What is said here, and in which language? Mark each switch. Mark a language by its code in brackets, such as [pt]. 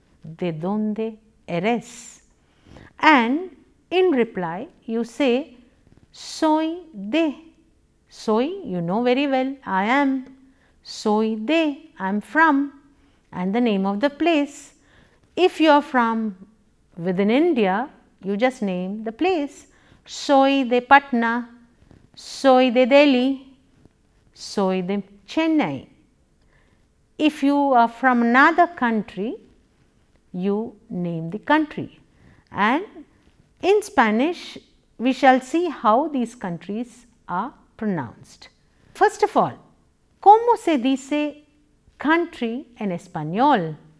[es] ¿De dónde eres? [en] And in reply, you say soy de. Soy, you know very well, I am. Soy de, I am from, and the name of the place. If you are from within India, you just name the place. [es] Soy de Patna, soy de Delhi, soy de Chennai. [en] If you are from another country, you name the country. And in Spanish, we shall see how these countries are pronounced. First of all, [es] ¿cómo se dice country en español?